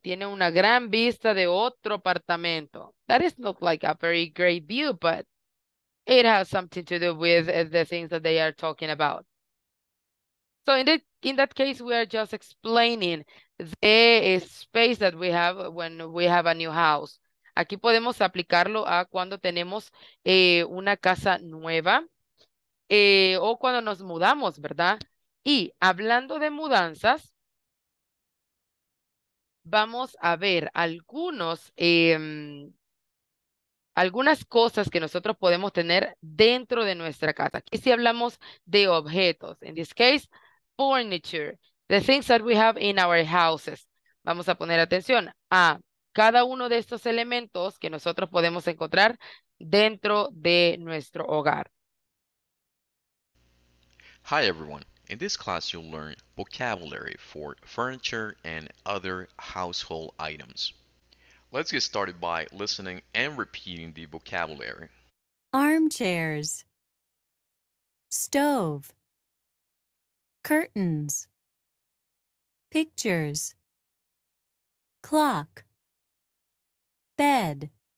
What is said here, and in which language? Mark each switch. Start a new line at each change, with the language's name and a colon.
Spanish: Tiene una gran vista de otro apartamento.
English: That is not like a very great view, but it has something to do with the things that they are talking about. So in that case, we are just explaining the space that we have when we have a new house.
Spanish: Aquí podemos aplicarlo a cuando tenemos una casa nueva o cuando nos mudamos, ¿verdad? Y hablando de mudanzas, vamos a ver algunas cosas que nosotros podemos tener dentro de nuestra casa. Aquí sí hablamos de objetos.
English: In this case, furniture. The things that we have in our houses.
Spanish: Vamos a poner atención a cada uno de estos elementos que nosotros podemos encontrar dentro de nuestro hogar.
English: Hi, everyone. In this class, you'll learn vocabulary for furniture and other household items. Let's get started by listening and repeating the vocabulary. Armchairs, stove, curtains, pictures, clock, bed,